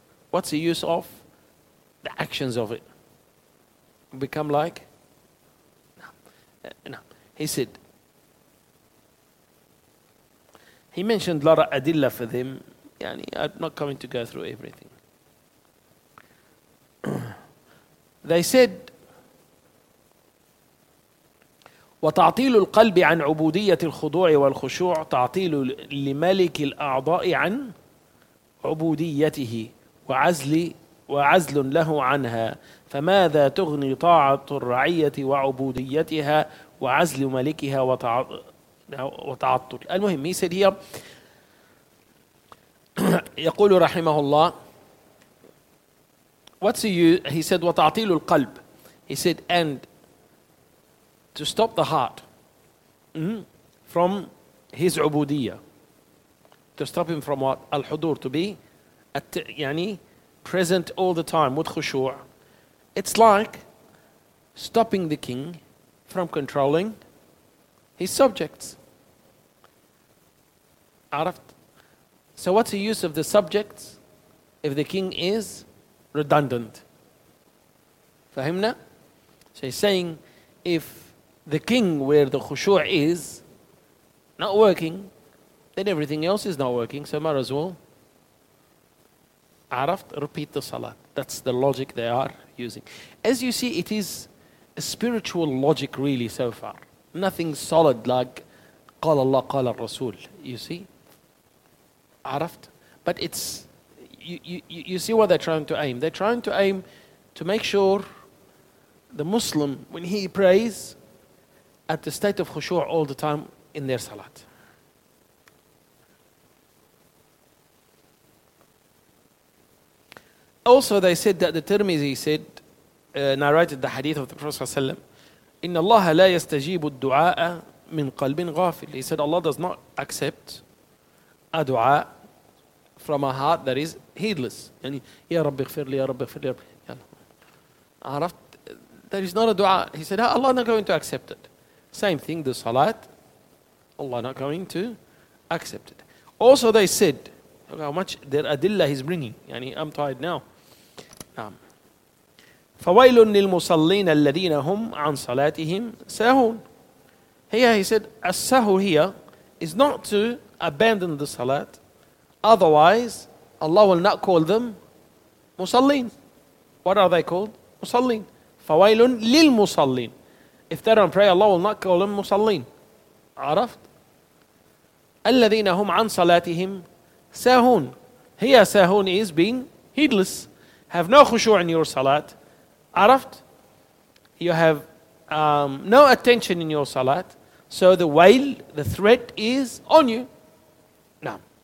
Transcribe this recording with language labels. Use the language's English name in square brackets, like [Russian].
[English] What's the use of the actions of it? Become like? No. He said, he mentioned Lara Adilla for them. Yani, I'm not coming to go through everything. They said, [Arabic] وتعطيل القلب عن عبودية الخضوع والخشوع تعطيل لملك الأعضاء عن عبوديته وعزل له عنها فماذا تغني طاعة الرعية وعبوديتها وعزل ملكها وتعطل. المهم هي يقول رحمه الله [English] what's he said [Arabic] وتعطيل القلب [English] he said and to stop the heart from his ubudiyya, to stop him from what al-hudur, to be at yani present all the time with khushu', it's like stopping the king from controlling his subjects. Araft. So what's the use of the subjects if the king is redundant? Fahimna? So he's saying if the king where the khushu' is not working, then everything else is not working, so might as well araft, repeat the salat. That's the logic they are using. As you see, it is a spiritual logic really so far. Nothing solid like [Arabic] قال الله قال الرسول. [English] You see? Araft. But it's you see what they're trying to aim. They're trying to aim to make sure the Muslim, when he prays, at the state of khushu' all the time in their salat. Also, they said that the Tirmidhi said, narrated the hadith of the Prophet ﷺ, [Arabic] إِنَّ اللَّهَ لَا يَسْتَجِيبُ الدُّعَاءَ مِنْ قَلْبٍ غَافِلٍ. [English] He said, Allah does not accept a dua from a heart that is heedless. [Arabic] يعني, يا رب اغفر لي, يا رب اغفر لي. عرفت? [English] There is not a dua. He said, Allah is not going to accept it. Same thing, the salat, Allah not going to accept it. Also, they said, look how much their adillah he's bringing. Yani, I'm tired now. [Arabic] فَوَيْلٌ لِلْمُصَلِّينَ الَّذِينَ هُمْ عَنْ صَلَاتِهِمْ سَهُونَ. [English] Here he said, السَّهُ here is not to abandon the salat. Otherwise, Allah will not call them musallin. What are they called? Musallin. [Arabic] فَوَيْلٌ لِلْمُصَلِّينَ. [English] If they don't pray, Allah will not call them musallin. Araft? [Arabic] الَّذِينَ هُمْ عَنْ صَلَاتِهِمْ sahun. [English] Here sahun is being heedless. Have no khushu' in your salat. Araft? You have no attention in your salat. So the wail, the threat is on you. Naam.